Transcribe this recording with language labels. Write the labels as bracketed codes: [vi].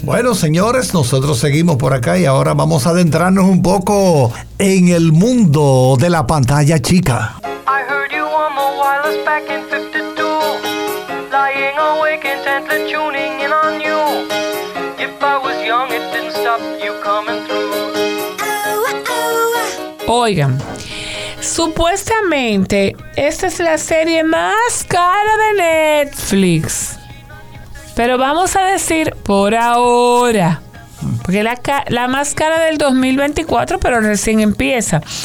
[es] Bueno, señores, nosotros seguimos por acá y ahora vamos a adentrarnos un poco en el mundo de la pantalla chica. [en] I heard you on my wireless back in 52, lying awake intently tuning in on you. If I was young, it didn't stop you coming through. Oh, oh. [es] Oigan, supuestamente esta es la serie más cara de Netflix. Pero vamos a decir por ahora, porque la más cara del 2024, pero recién empieza.